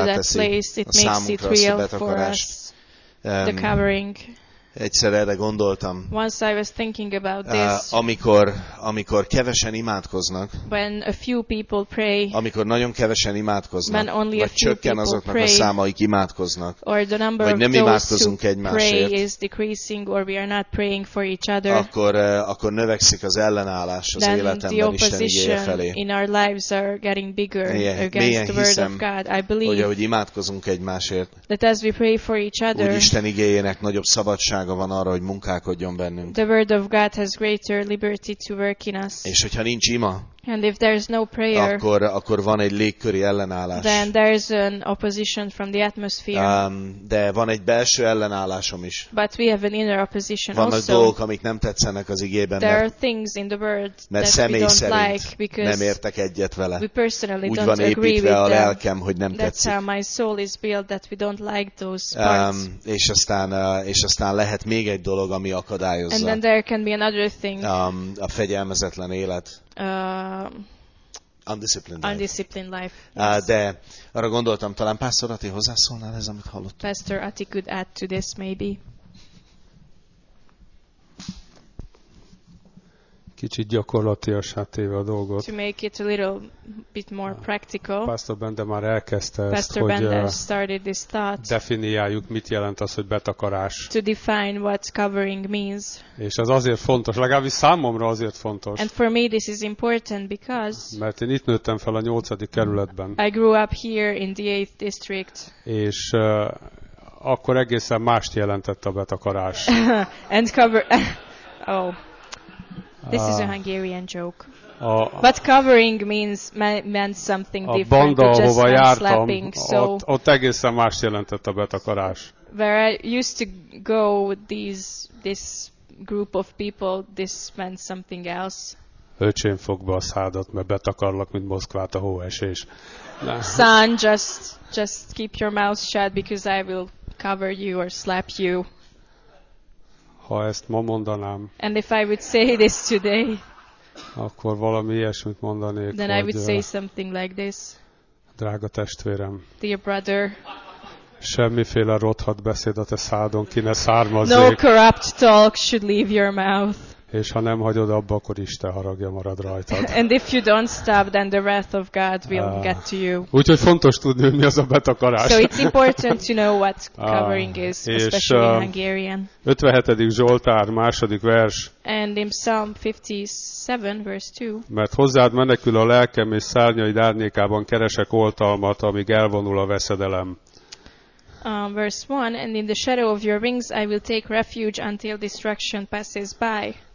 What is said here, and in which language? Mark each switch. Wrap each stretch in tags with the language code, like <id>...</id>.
<en>into that place. It makes it real for us. The covering.</en> <hu>Egyszer erre gondoltam.</hu> <en>Once I was thinking about this.</en> <hu>Amikor kevesen imádkoznak.</hu> <en>When a few people pray.</en> <hu>Amikor nagyon kevesen imádkoznak.</hu> <en>When only a</en> <hu>vagy csökken azoknak</hu> <en>pray,</en> <hu>a száma, akik imádkoznak.</hu> <en>Or the number</en> <hu>vagy nem</hu> <en>of</en> <hu>imádkozunk</hu> <en>those</en> <hu>egymásért.</hu> <en>Pray is decreasing or we are not praying for each other.</en> <hu>Akkor növekszik az ellenállás az életemben Isten igéje felé.</hu> <en>In our lives are getting bigger against the word of God. I believe.</en> <hu>Hogy ahogy imádkozunk egymásért.</hu> <en>That as we pray for each other.</en> <hu>Úgy Isten igéjének nagyobb szabadság van arra, hogy munkálkodjon bennünk.</hu> <en>The word of God has greater liberty to work in us.</en> <hu>És hogyha nincs ima,</hu> <en>and if there is no prayer,</en> <hu>akkor van egy légköri ellenállás.</hu> <en>Then there is an opposition from the atmosphere.</en> <hu>De van egy belső ellenállásom is.</hu> <en>But we have an inner opposition</en> <hu>van</hu> <en>also.</en> <hu>Vannak dolgok, amik nem tetszenek az igében.</hu> <en>There are things in the word that we don't like because</en> <hu>nem értek egyet vele.</hu> <en>We personally</en> <hu>úgy</hu> <en>don't agree with them.</en> <hu>Úgy van építve a lelkem, hogy nem tetszik.</hu> <en>That's how my soul is built, that we don't like those parts.</en> <hu>És aztán lehet még egy dolog, ami akadályozza.</hu> <en>And then there can be another thing.</en> <hu>A fegyelmezetlen élet.</hu> <en>Undisciplined life.</en> <hu>De arra gondoltam, talán Pásztor Ati hozzászólnál ez, amit hallottam.</hu> <en>Pastor Ati could add to this, maybe.</en> <hu>Kicsit gyakorlatilassá téve a dolgot.</hu> <en>To make it a little bit more practical.</en> <hu>Pastor Bender már elkezdte ezt,</hu> <en>Pastor</en> <hu>hogy</hu> <en>Bender started this thought.</en> <hu>Definiáljuk, mit jelent az, hogy betakarás.</hu> <en>To define what covering means.</en> <hu>És ez azért fontos, legalábbis számomra azért fontos.</hu> <en>And for me this is important because.</en> <hu>Mert én itt nőttem fel a 8. kerületben.</hu> <en>I grew up here in the 8th district.</en> <hu>És akkor egészen mást jelentett a betakarás.</hu> <en>And cover. Oh. This is a Hungarian joke. But covering means meant something different.</en> <hu>A banda, ahova jártam,</hu> <en>so</en> <hu>ott egészen más jelentett a betakarás.</hu> <en>Where I used to go with this group of people, this meant something else.</en> <hu>Öcsém, fogd be a szádat, mert betakarlak, mint Moszkvát a hóesés.</hu> <en>Son, just keep your mouth shut, because I will cover you or slap you.</en> <hu>Ha ezt ma mondanám,</hu> <en>and if I would say this today,</en> <hu>akkor valami ilyesmit mondanék,</hu> <en>then</en> <hu>hogy,</hu> <en>I would say something like this.</en> <hu>Drága testvérem,</hu> <en>dear brother,</en> <hu>semmiféle rothadt beszéd a te szádon ki ne származék.</hu> <en>No corrupt talk should leave your mouth.</en> <hu>És ha nem hagyod abba, akkor Isten haragja marad rajtad.</hu> <en>And if you don't stop, then the wrath of God will get to you.</en> <hu>Úgyhogy fontos tudni, hogy mi az a betakarás.</hu> <en>So it's important to know what covering is, especially in Hungarian.</en> <hu>57. Zsoltár, második vers.</hu> <en>And in Psalm 57, verse 2.</en> <hu>Mert hozzád menekül a lelkem, és szárnyaid árnyékában keresek oltalmat, amíg elvonul a veszedelem.</hu> <en>Verse 1, and in the shadow of your wings I will take refuge until destruction passes by.</en>